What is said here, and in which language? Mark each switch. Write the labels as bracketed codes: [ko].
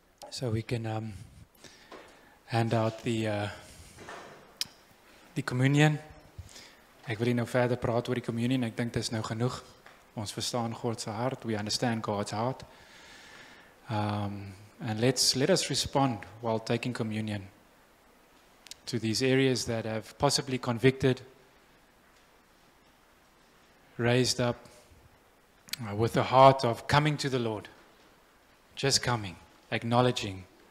[en] So we can hand out the communion. [af] Ek wil nie nou verder praat oor die communion. Ek dink dit is nou genoeg. Ons verstaan God se hart. [en] We understand God's heart. And let us respond while taking communion to these areas that have possibly convicted, raised up with the heart of coming to the Lord, just coming, acknowledging.